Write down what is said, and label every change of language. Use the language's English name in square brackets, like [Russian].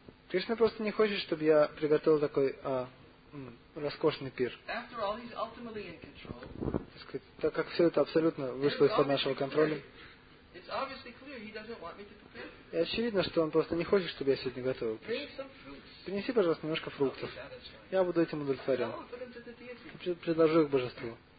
[Russian] Кришна просто не хочет, чтобы я приготовил такой роскошный пир. [English] All, he's ultimately in control. [Russian] Так, сказать, так как все это абсолютно вышло из-под нашего контроля. [English] It's obviously clear he doesn't want me to prepare. [Russian] И очевидно, что он просто не хочет, чтобы я сегодня готовил. Принеси, пожалуйста, немножко фруктов. Я буду этим удовлетворен. Предложу их божеству.